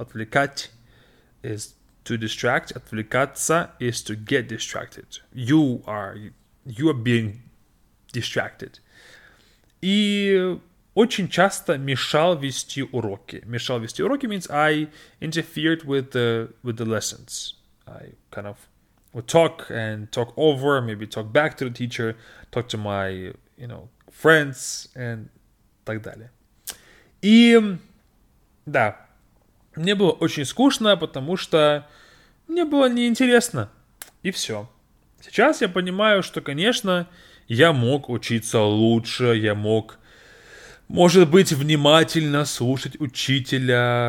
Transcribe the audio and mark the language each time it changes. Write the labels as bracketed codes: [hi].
[en] Отвлекать is to distract. Отвлекаться is to get distracted. You are being distracted. [ru] И очень часто мешал вести уроки. Мешал вести уроки [en] means I interfered with the lessons. I kind of would talk and talk over, maybe talk back to the teacher, talk to my, you know, friends and [ru] так далее. И да, мне было очень скучно, потому что мне было неинтересно. И все. Сейчас я понимаю, что, конечно, я мог учиться лучше, я мог, может быть, внимательно слушать учителя.